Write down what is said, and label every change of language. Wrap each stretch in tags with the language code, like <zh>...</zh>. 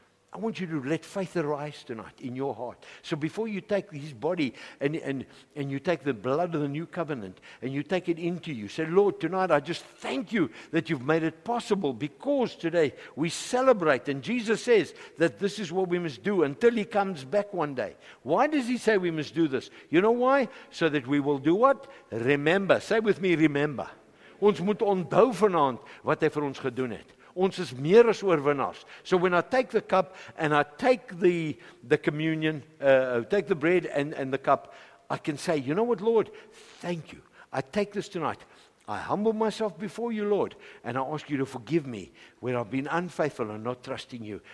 <en>I want you to let faith arise tonight in your heart. So before you take his body and you take the blood of the new covenant and you take it into you, say, Lord, tonight I just thank you that you've made it possible, because today we celebrate and Jesus says that this is what we must do until he comes back one day. Why does he say we must do this? You know why? So that we will do what? Remember. Say with me, remember.</en> <af>Ons moet onthou vanaand wat hy vir ons gedoen het. Ons is meer as oorwinnaars.</af> <en>So when I take the cup and I take the communion, take the bread and the cup, I can say, you know what, Lord? Thank you. I take this tonight. I humble myself before you, Lord, and I ask you to forgive me where I've been unfaithful and not trusting you.</en>